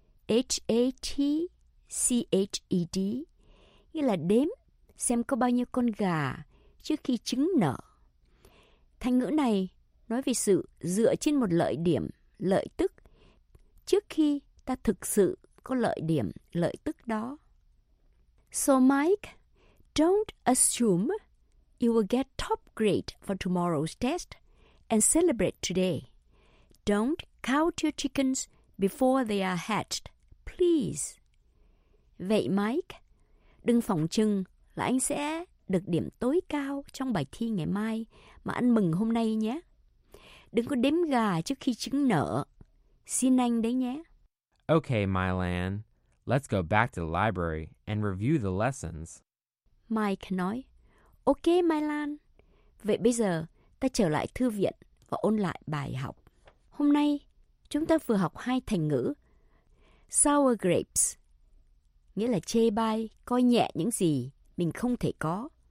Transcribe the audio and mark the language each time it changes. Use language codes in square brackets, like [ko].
[vi] H-A-T-C-H-E-D, nghĩa là đếm xem có bao nhiêu con gà trước khi trứng nở. Thành ngữ này nói về sự dựa trên một lợi điểm, lợi tức trước khi ta thực sự có lợi điểm, lợi tức đó. [en] So Mike, don't assume you will get top grade for tomorrow's test and celebrate today. Don't count your chickens before they are hatched, please. [vi] Vậy Mike, đừng phỏng chừng là anh sẽ được điểm tối cao trong bài thi ngày mai mà anh mừng hôm nay nhé. Đừng có đếm gà trước khi trứng nở. Xin anh đấy nhé. [en] Okay, Mylan, let's go back to the library and review the lessons. [vi] Mike nói, okay, Mylan. Vậy bây giờ, ta trở lại thư viện và ôn lại bài học. Hôm nay, chúng ta vừa học hai thành ngữ. [en] Sour grapes, [vi] nghĩa là chê bai, coi nhẹ những gì mình không thể có.